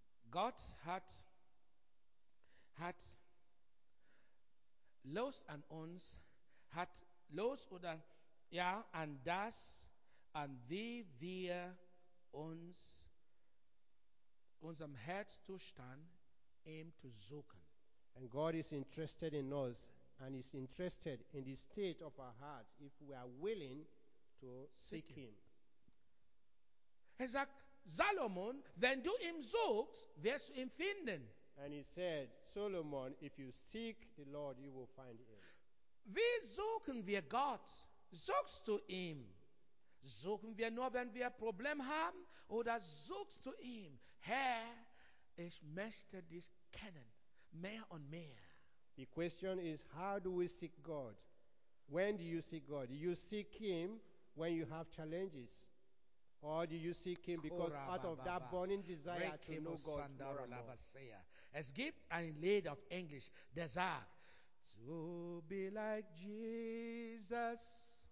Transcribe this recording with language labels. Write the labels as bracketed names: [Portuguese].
[German] Gott hat los an uns, hat los oder ja, an das, an wie wir unserem Herzzustand ihm zu suchen. [English] And God is interested in us and is interested in the state of our heart if we are willing to seek him. [German] Er sagt, Salomon, wenn du ihm suchst, wirst du ihn finden. [English] And he said, Solomon, if you seek the Lord, you will find him. [German] Wie suchen wir Gott? Suchst du ihm? Suchen wir nur, wenn wir ein Problem haben? Oder suchst du ihm? Herr, ich möchte dich kennen, mehr und mehr. [English] The question is, how do we seek God? When do you seek God? Do you seek him when you have challenges? Or do you seek him because out of that burning desire to know God more and more? [German] Es gibt ein Lied auf Englisch, der sagt, [English] to be like Jesus.